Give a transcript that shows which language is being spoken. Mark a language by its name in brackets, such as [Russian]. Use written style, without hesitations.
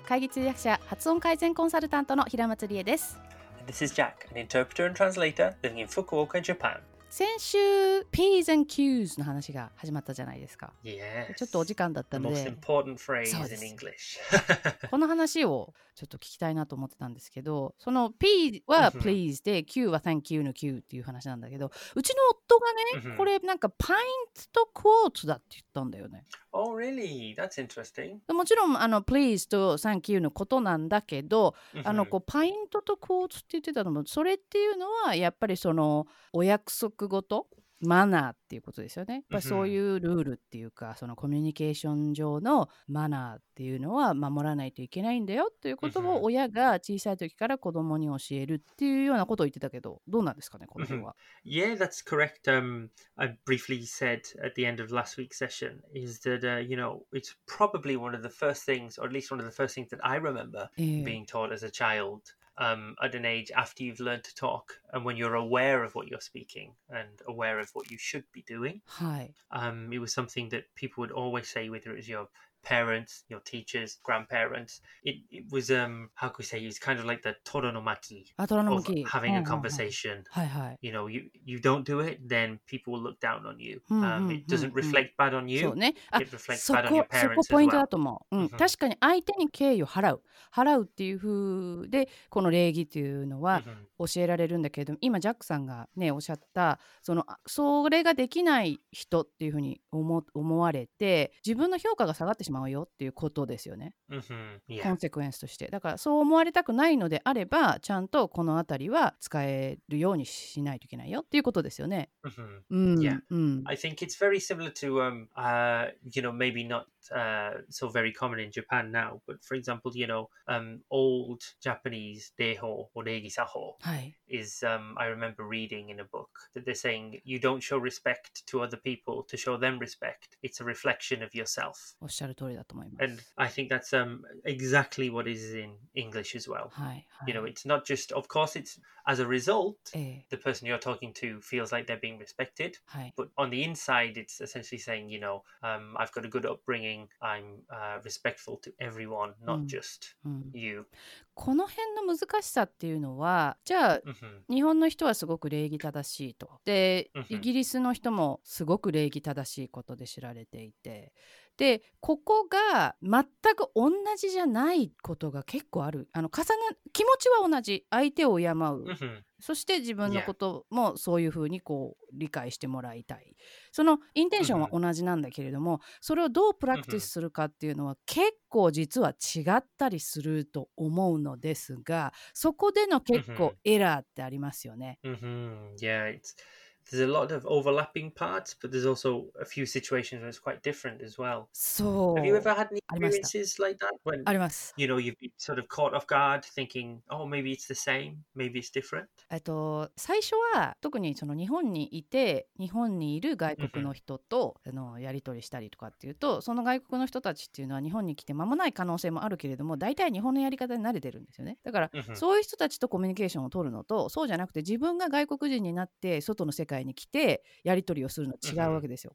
[Japanese] 会議通訳者、発音改善コンサルタントの平松理恵です。 [English] And、this is Jack, an interpreter and translator living in Fukuoka, Japan. [Japanese] 先週、P's and Q's の話が始まったじゃないですか。 [English] Yes. [Japanese] ちょっとお時間だったので。 [English] The most important phrase in English. [Japanese] この話をちょっと聞きたいなと思ってたんですけど、その P は Please で、Q は Thank you の Q っていう話なんだけど、うちの夫がね、これなんか Pint と Quartz だって言ったんだよね。 [English] Oh, really? That's interesting. [Japanese] もちろんあの Please と Thank you のことなんだけど、あのこう Pint と Quartz って言ってたのも、それっていうのはやっぱりそのお約束ごとマナーっていうことですよね。やっぱそういうルールっていうか、そのコミュニケーション上のマナーっていうのは守らないといけないんだよっていうことを親が小さい時から子供に教えるっていうようなことを言ってたけど、どうなんですかね、この辺は。 [English] Yeah, that's correct. I briefly said at the end of last week's session is that, you know, it's probably one of the first things, or at least one of the first things that I remember being taught as a child. At an age after you've learned to talk and when you're aware of what you're speaking and aware of what you should be doing. It was something that people would always say, whether it was your parents, your teachers, grandparents. It was, how could we say, it's kind of like the toro no maki of having a conversation. You know, you don't do it, then people will look down on you. It doesn't reflect bad on you. [Japanese] そうね。 [English] あ、it reflects bad on your parents as well. [Japanese] そこポイントだと思う。確かに相手に敬意を払う。払うっていう風で、この礼儀っていうのは教えられるんだけど、今ジャックさんがね、おっしゃった、それができない人っていう風に思われて、自分の評価が下がってしまうよっていうことですよね。コンセクエンスとして。だからそう思われたくないのであれば、ちゃんとこのあたりは使えるようにしないといけないよっていうことですよね。 [English] I think it's very similar to, you know, maybe not, so very common in Japan now, but for example, you know, old Japanese deho or neigi saho is, I remember reading in a book that they're saying you don't show respect to other people to show them respect. It's a reflection of yourself. [Japanese] おっしゃる通りだと思います。 [English] And I think that's, exactly what is in English as well. You know, it's not just, of course, it's as a result, the person you're talking to feels like they're being respected. But on the inside, it's essentially saying, you know, I've got a good upbringing. I'm, respectful to everyone, not just you. [Japanese] この辺の難しさっていうのは、じゃあ、日本の人はすごく礼儀正しいと。で、イギリスの人もすごく礼儀正しいことで知られていて。で、ここが全く同じじゃないことが結構ある。あの、重な、気持ちは同じ。相手を敬う。そして自分のこともそういうふうにこう理解してもらいたい。そのインテンションは同じなんだけれども、それをどうプラクティスするかっていうのは結構実は違ったりすると思うのですが、そこでの結構エラーってありますよね。 [English] Yeah, it's... There's a lot of overlapping parts, but there's also a few situations where it's quite different as well. So, have you ever had any experiences like that? When, you know, you've been sort of caught off guard thinking, oh, maybe it's the same, maybe it's different. [Japanese] 最初は特にその日本にいて、日本にいる外国の人とやり取りしたりとかっていうと、その外国の人たちっていうのは日本に来て間もない可能性もあるけれども、大体日本のやり方に慣れてるんですよね。だから、そういう人たちとコミュニケーションを取るのと、そうじゃなくて自分が外国人になって外の世界に世界に来てやり取りをするの違うわけですよ。